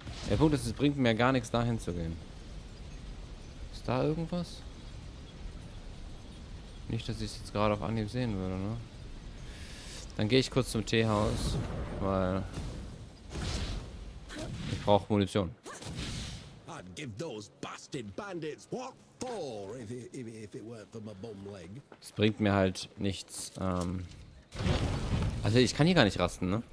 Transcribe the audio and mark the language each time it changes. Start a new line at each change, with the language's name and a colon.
German: Der Punkt ist, es bringt mir gar nichts, dahin zu gehen. Ist da irgendwas? Nicht, dass ich es jetzt gerade auf Anhieb sehen würde, ne? Dann gehe ich kurz zum Teehaus, weil ich brauche Munition.
English: I'd give those bastard bandits what for if it weren't for my bum leg.
German: Es bringt mir halt nichts. Also ich kann hier gar nicht rasten, ne?